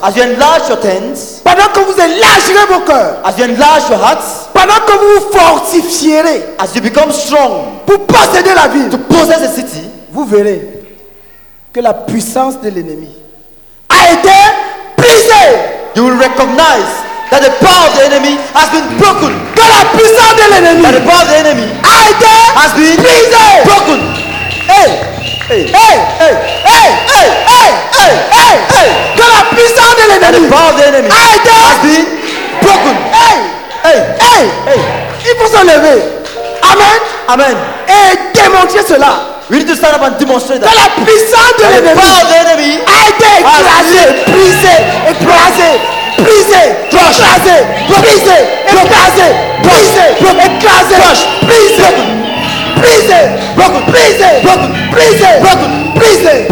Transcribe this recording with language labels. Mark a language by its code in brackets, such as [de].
[en] as you enlarge your tents, [fr] pendant que vous élargirez vos cœurs, [en] as you enlarge your hearts, [fr] pendant que vous fortifierez, [en] as you become strong, [fr] pour posséder la ville, [en] to possess the city, [fr] vous verrez que la puissance de l'ennemi a été brisée. [en] You will recognize that the power of the enemy has been broken. [fr] Que la puissance de l'ennemi, [en] that the power of the enemy [fr] a été [en] has been [fr] brisée. [en] Broken. Hey, hey, hey, hey, hey, hey, hey, hey, [fr] hey. Que la puissance de l'ennemi, [en] that the power of the enemy a été has been broken. Hey, hey, hey, hey. [fr] Il faut se lever. Amen. Amen. Et démontrer cela. [en] We need to stand up and demonstrate that. [fr] Que la puissance de l'ennemi a été écrasée, brisée, écrasée, brisée, écrasée, brisée, écrasée, brisée, écrasée, brisée, brisée, brisée, brisée, brisée, brisée,